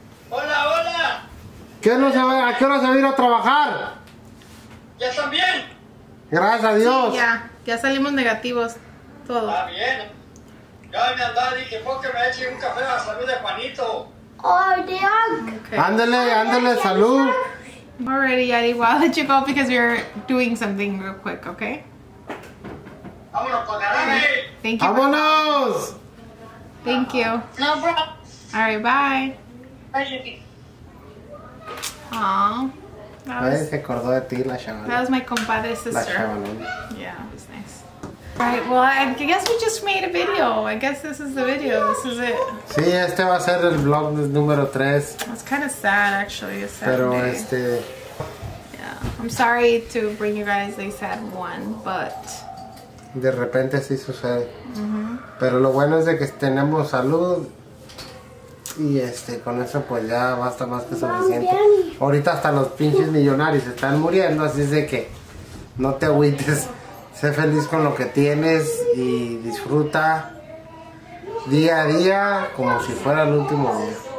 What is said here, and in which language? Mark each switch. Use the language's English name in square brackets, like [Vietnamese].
[Spanish] Hola, hola. ¿Qué no se va? ¿A qué hora se va a ir a trabajar? Ya están bien. Gracias a Dios. Sí, ya, ya salimos negativos. Todo. Está bien. Ya me andaba, dije, ¿por qué me eche un café a la salud de Juanito? Oh, Dios. Ándele, ándele, salud. [English] Alrighty, Yadi, well, I'll let you go because we're doing something real quick, okay? [Spanish] Vámonos con el Ari. [English] Thank you. [Spanish] Vámonos! [English] Thank you. No problem. Alright, bye. Bye, Jackie. Aww. That was my compadre's sister. [Spanish] La [English] chavalón. Yeah, it was nice. Alright, well, I guess we just made a video. I guess this is the video. This is it. [Spanish] Sí, este va a ser el vlog número 3. [English] It's kind of sad, actually. A sad [Spanish] Pero [English] day. [Spanish] Este. [English] Yeah. I'm sorry to bring you guys a sad one, but. [Spanish] De repente sí sucede. Mm-hmm. Pero lo bueno es de que tenemos salud. Y con eso pues ya basta más que suficiente. Ahorita hasta los pinches millonarios están muriendo, así es de que no te agüites. Sé feliz con lo que tienes y disfruta día a día como si fuera el último día.